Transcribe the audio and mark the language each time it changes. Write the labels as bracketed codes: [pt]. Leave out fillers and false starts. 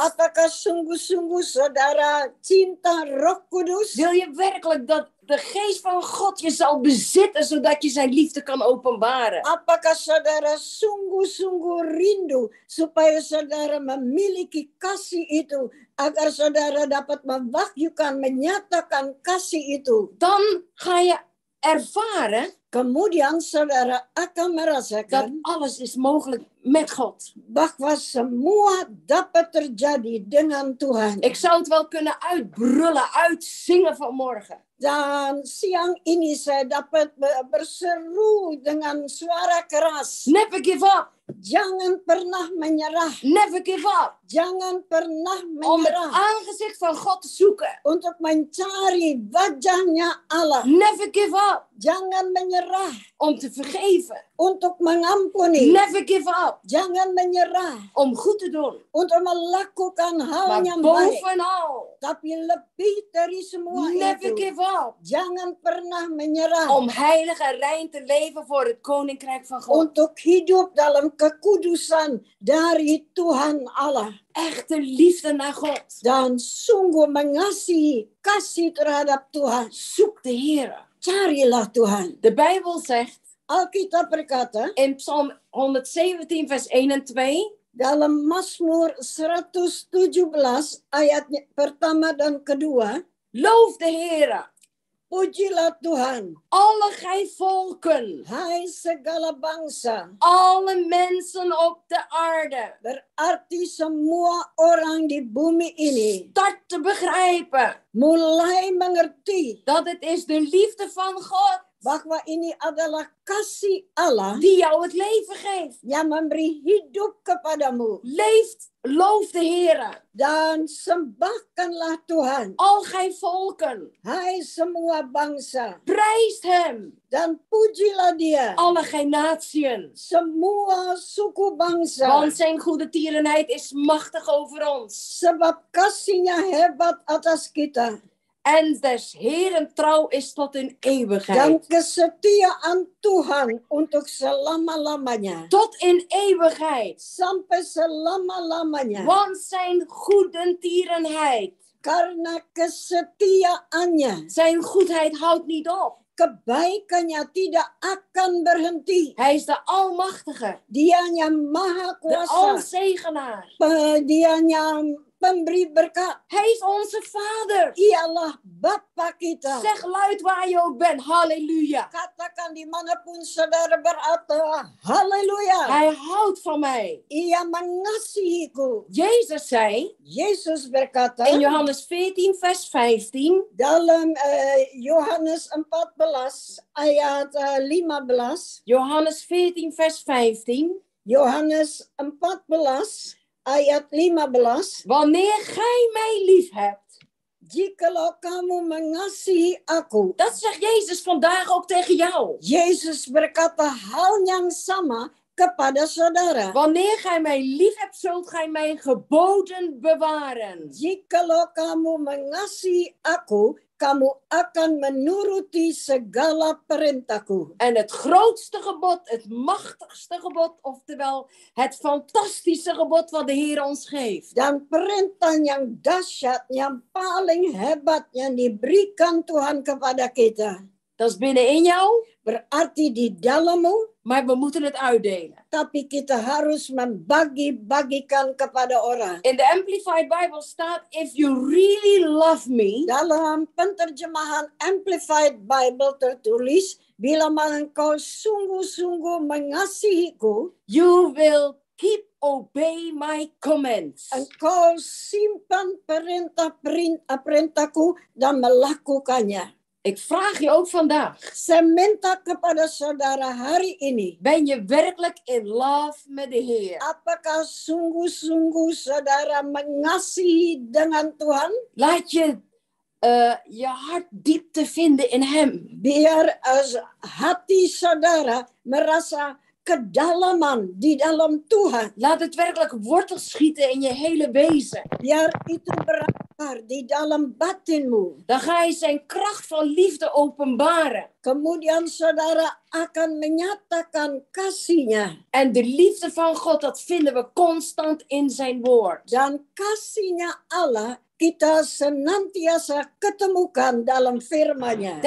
[id] Apakah sungguh-sungguh saudara cinta Roh Kudus? [nl] Wil je werkelijk dat de geest van God je zal bezitten zodat je zijn liefde kan openbaren. [id] Apakah saudara sungguh-sungguh rindu supaya saudara memiliki kasih itu agar saudara dapat mewahyukan, menyatakan kasih itu. [nl] Dan ga je ervaren. [id] Kemudian saudara akan merasakan. [nl] Dat alles is mogelijk met God. [id] Bahwa semua dapat terjadi dengan Tuhan. [nl] Ik zou het wel kunnen uitbrullen, uitzingen vanmorgen. [id] Dan siang ini saya dapat berseru dengan suara keras. [en] Never give up. [id] Jangan pernah menyerah. [en] Never give up. [id] Jangan pernah menyerah. [nl] Om het aangezicht van God te zoeken. [id] Untuk mencari wajahnya Allah. [en] Never give up. [id] Jangan menyerah. [nl] Om te vergeven. [id] Untuk mengampuni. [en] Never give up. [id] Jangan menyerah. [nl] Om goed te doen. [id] Untuk melakukan hal [nl] maar [id] yang [nl] bovenal. [id] Baik. [nl] Bovenal. [id] Tapi lebih dari semua [en] never [id] itu. [en] Give up. [id] Jangan pernah menyerah. [nl] Om heilig en rein te leven voor het koninkrijk van God. [id] Untuk hidup dalam kekudusan dari Tuhan Allah. [nl] Echte liefde naar God. [id] Dan sungguh mengasihi kasih terhadap Tuhan. [nl] Zoek de Heere. [id] Carilah Tuhan. [nl] De Bijbel zegt. [id] Alkitab berkata. [nl] In Psalm 117 vers 1 en 2. [id] Dalam Mazmur 117 ayat pertama dan kedua. [nl] Loof de Heere. [id] Pujilah Tuhan. [nl] Alle gij volken. [id] Hai segala bangsa. [nl] Alle mensen op de aarde. [id] Berarti semua orang di bumi ini. [nl] Start te begrijpen. [id] Mulai mengerti. [nl] Dat het is de liefde van God. [id] Bahwa ini adalah kasih Allah. [nl] Die jou het leven geeft. [id] Yang memberi hidup kepadamu. [nl] Leeft, loof de Heere. [id] Dan sembahkanlah Tuhan. [nl] Al gij volken. [id] Hai semua bangsa. [nl] Prijst hem. [id] Dan pujilah dia. [nl] Alle gij natiën. [id] Semua suku bangsa. [nl] Want zijn goede tierenheid is machtig over ons. [id] Sebab kasihnya hebat atas kita. [nl] En des Heren trouw is tot in eeuwigheid. [id] Dan kesetiaan Tuhan untuk selama-lamanya. [nl] Tot in eeuwigheid. [id] Sampai selama-lamanya. [nl] Want zijn goedertierenheid. [id] Karena kesetiaannya. [nl] Zijn goedheid houdt niet op. [id] Kebaikannya tidak akan berhenti. [nl] Hij is de Almachtige. [id] Dia yang Maha Kuasa. [nl] De Alzegenaar. [id] Dia yang pemberi berkat. [nl] Hij is onze Vader. [id] Ialah Bapa kita. [nl] Zeg luid waar je ook bent. Halleluja. [id] Katakan dimanapun saudara berada. Halleluja. [nl] Hij houdt van mij. [id] Ia mengasihiku. [nl] Jezus zei. [id] Jezus berkata. [nl] In Johannes 14 vers 15. [id] Dalam Johannes 14 ayat 15. [nl] Johannes 14 vers 15. [id] Johannes 14. Ayat 15. [nl] Wanneer gij mij lief hebt. [id] Jikalau kamu mengasihi aku. [nl] Dat zegt Jezus vandaag ook tegen jou. [id] Jezus berkata hal yang sama kepada saudara. [nl] Wanneer gij mij lief hebt, zult gij mijn geboden bewaren. [id] Jikalau kamu mengasihi aku, kamu akan menuruti segala perintahku. [nl] En het grootste gebod, het machtigste gebod, oftewel het fantastische gebod wat de Heer ons geeft. [id] Dan perintah yang dahsyat, yang paling hebat yang diberikan Tuhan kepada kita. [nl] Dat is binnenin jou. [id] Berarti di dalammu. [nl] Maar we moeten het uitdelen. [id] Tapi kita harus membagi-bagikan kepada orang. [en] In the Amplified Bible staat, if you really love me. [id] Dalam penterjemahan Amplified Bible tertulis, bila engkau sungguh-sungguh mengasihiku. [en] You will keep obey my commands. [id] Engkau simpan perintahku dan melakukannya. [nl] Ik vraag je ook vandaag. [id] Seminta kepada saudara hari ini. [nl] Ben je werkelijk [en] in love [nl] met de Heer? [id] Apakah sungguh-sungguh saudara mengasihi dengan Tuhan? [nl] Laat je je hart diep te vinden in Hem. [id] Biar hati saudara merasa kedalaman di dalam Tuhan. [nl] Laat het werkelijk wortel schieten in je hele wezen. [id] Biar itu berakar di dalam batinmu. [nl] Dan ga je zijn kracht van liefde openbaren. [id] Kemudian saudara akan menyatakan kasihnya. [nl] En de liefde van God, dat vinden we constant in zijn woord. [id] Dan kasihnya Allah kita senantiasa ketemukan dalam firman-Nya.